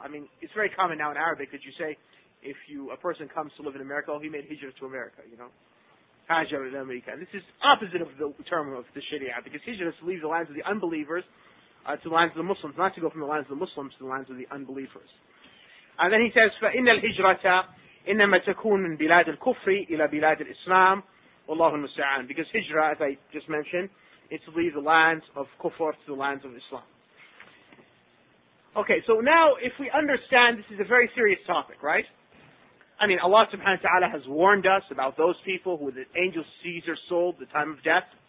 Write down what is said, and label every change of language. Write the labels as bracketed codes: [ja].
[en] I mean, it's very common now in Arabic that you say, if you a person comes to live in America, oh, he made hijrah to America, you know. Hajar in America. And this is opposite of the term of the Sharia, because hijrah is to leave the lands of the unbelievers to the lands of the Muslims, not to go from the lands of the Muslims to the lands of the unbelievers. And then he says, [ar] فَإِنَّ الْهِجْرَةَ إِنَّمَا تَكُونُ مِنْ بِلَادِ الْكُفْرِ إِلَى بِلَادِ الْإِسْلَامِ وَاللَّهُ الْمُسْتَعَانِ. [en] Because hijrah, as I just mentioned, is to leave the lands of kufr to the lands of Islam. Okay, so now if we understand this is a very serious topic, right? I mean, Allah subhanahu wa ta'ala has warned us about those people who the angel Caesar sold the time of death.